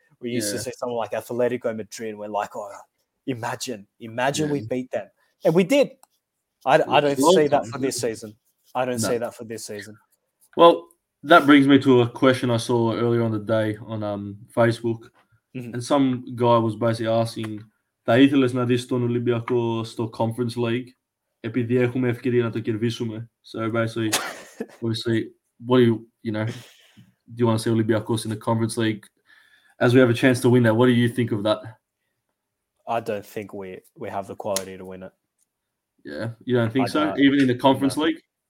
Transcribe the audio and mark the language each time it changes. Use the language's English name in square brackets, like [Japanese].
[English] We used to see someone like Atletico Madrid. We're like, oh, imagine we beat them. And we did. I don't see that for this season. Well, that brings me to a question I saw earlier on the day on Facebook. Mm-hmm. And some guy was basically asking, [Greek] Θα ήθελες να δεις τον Ολυμπιακό στο Conference League επειδή έχουμε ευκαιρία να το κερδίσουμε. [English] So basically, obviously, do you want to see Ολυμπιακός in the Conference League as we have a chance to win that? What do you think of that? I don't think we have the quality to win it. Yeah, you don't think so? Even in the Conference League?